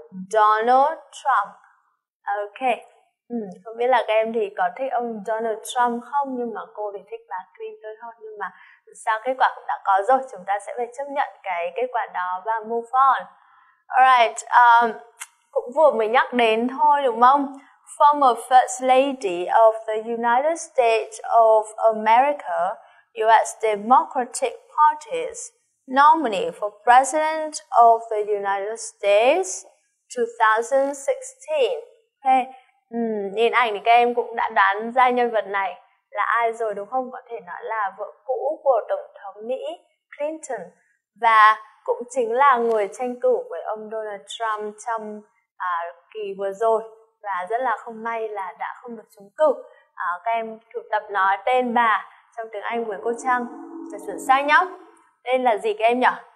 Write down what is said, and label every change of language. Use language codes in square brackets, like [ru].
[vi] Donald Trump. Ok. Không biết là các em thì có thích ông Donald Trump không, nhưng mà cô thì thích bà Clinton hơn. Nhưng mà sao kết quả cũng đã có rồi, chúng ta sẽ phải chấp nhận cái kết quả đó và move on. Alright, cũng vừa mới nhắc đến thôi đúng không? [en] Former First Lady of the United States of America, US Democratic Party's nominee for President of the United States 2016. Okay. [vi] Nhìn ảnh thì các em cũng đã đoán ra nhân vật này là ai rồi đúng không? Có thể nói là vợ cũ của Tổng thống Mỹ Clinton và cũng chính là người tranh cử với ông Donald Trump trong kỳ vừa rồi. Và rất là không may là đã không được trúng cử. Các em thử tập nói tên bà trong tiếng Anh với cô Trang sẽ chuẩn xác nhá. Tên là gì các em nhỉ?